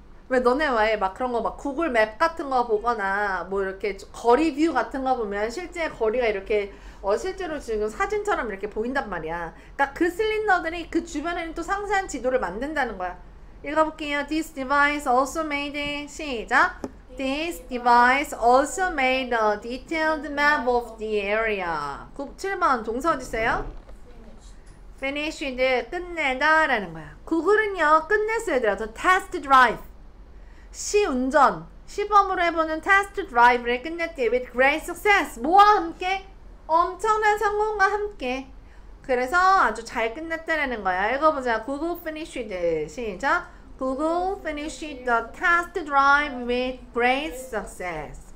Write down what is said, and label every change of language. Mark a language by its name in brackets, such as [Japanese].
[Korean] 왜 너네 와에 막 그런 거 막 구글 맵 같은 거 보거나 뭐 이렇게 거리 뷰 같은 거 보면 실제 거리가 이렇게 실제로 지금 사진처럼 이렇게 보인단 말이야. 그러니까 그 실린더들이 그 주변에는 또 상세한 지도를 만든다는 거야. 읽어볼게요. [English] This device also made a [Korean] 시작. [English] This device also made a detailed map of the area. [Korean] 7번 동사 어디 있어요? [English] Finished. [Korean] 끝내다라는 거야. 구글은요 끝냈어요, 얘들아. [English] The test drive. [Korean] 시운전 시범으로 해보는 test drive를 끝냈대. [English] With great success. [Korean] 뭐와 함께? 엄청난 성공과 함께. 그래서 아주 잘 끝났다라는 거야. 읽어보자. [English] Google finished. [Korean] 시작. [English] Google finished the test drive with great success.